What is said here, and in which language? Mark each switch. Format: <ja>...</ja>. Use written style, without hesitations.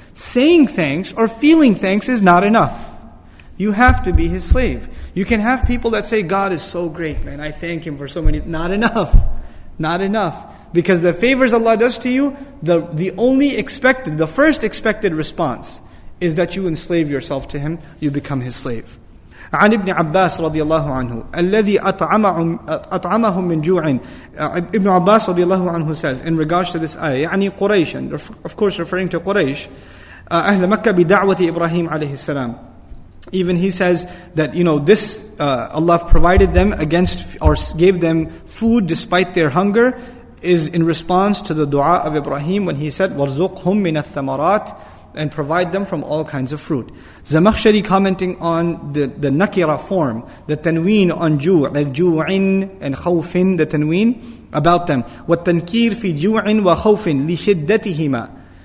<en>Saying thanks or feeling thanks is not enough. You have to be His slave. You can have people that say, God is so great, man. I thank Him for so many... Not enough. Not enough. Because the favors Allah does to you, the first expected response is that you enslave yourself to Him, you become His slave.</en> <ar>عن ابن عباس رضي الله عنه الذي أطعمهم من جوع.</ar> <en>Ibn Abbas</en> <ar>رضي الله عنه</ar> <en>says, in regards to this ayah,</en> <ar>يعني قريش,</ar> <en>of course referring to قريش,</en> <ar>أهل مكة بدعوة إبراهيم عليه السلام.</ar> <en>Even he says that, you know, this Allah provided them against, or gave them food despite their hunger, is in response to the dua of Ibrahim when he said,</en> <ar>وَرْزُقْهُمْ مِنَ الثَّمَرَاتِ,</ar> <en>and provide them from all kinds of fruit. Zamakhshari commenting on the nakira form, the tanween on ju', like ju'in and khawfin, the tanween about them.</en> <ar>وَالتَّنْكِيرِ فِي جُوعٍ وَخَوْفٍ لِشِدَّتِهِمَا,</ar>